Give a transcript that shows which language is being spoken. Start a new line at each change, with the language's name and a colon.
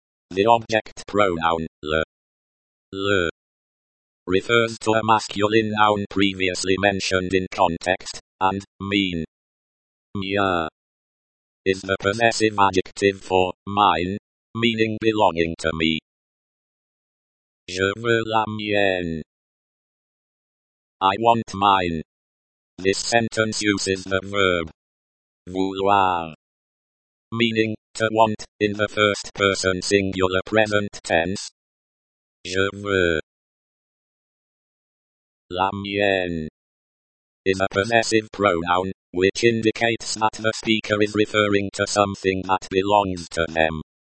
English: The object pronoun, le. Le. Refers to a masculine noun previously mentioned in context, and, mean. Mien. Is the possessive adjective for, mine, meaning belonging to me.
French: Je veux la mienne.
English: I want mine. This sentence uses the verb. Vouloir. Meaning, to want, in the first person singular present tense. Je veux. La mienne. Is a possessive pronoun, which indicates that the speaker is referring to something that belongs to them.